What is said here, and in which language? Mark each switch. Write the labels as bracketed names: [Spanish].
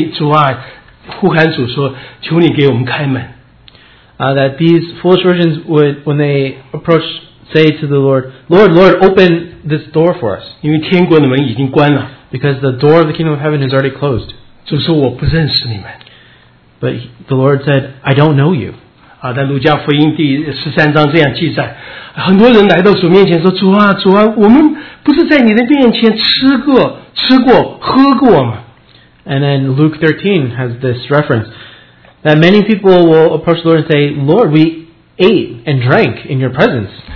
[Chinese] 他们见主面的时候跟主说，主啊，求你，主啊，呼喊主说，求你给我们开门。 [English] That these foolish virgins would, when they approach, say to the Lord, Lord, Lord, open this door for us. Because the door of the kingdom of heaven is already closed. But the Lord said, I don't know you. [Chinese] 很多人来到主面前说，主啊，主啊，我们不是在你的面前吃过，喝过吗？ [English] And then Luke 13 has this reference that many people will approach the Lord and say, Lord, we ate and drank in your presence.